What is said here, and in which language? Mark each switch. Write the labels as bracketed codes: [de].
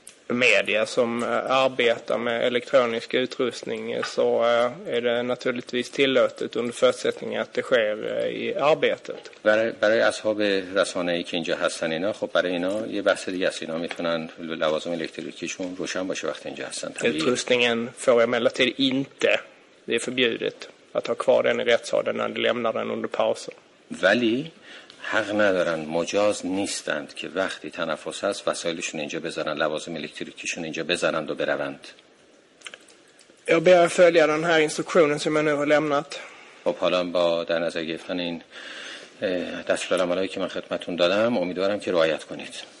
[sv] Media som arbetar med elektronisk utrustning så är det naturligtvis tillåtet under förutsättning att det sker i arbetet. [fa] برای اصحاب رسانه‌ای که اینجا هستن اینا خب برای اینا یه بحث دیگه است اینا میتونن لوازم الکتریکیشون روشن باشه وقتی اینجا هستن. [sv] Utrustningen får emellertid inte, det är förbjudet att ha kvar den i rättssalen när de lämnar den under pausen. [fa] ولی حق ندارن مجاز نیستند که وقتی تنفس هست وسایلشون اینجا بذارن لوازم الکتریکیشون اینجا بذارن و بروند. [sv] Jag ber att följa den här instruktionen som jag nu har lämnat. [fa] خب حالا با در نظر گرفتن این دستورالعملی که من خدمتتون دادم امیدوارم که رعایت کنید.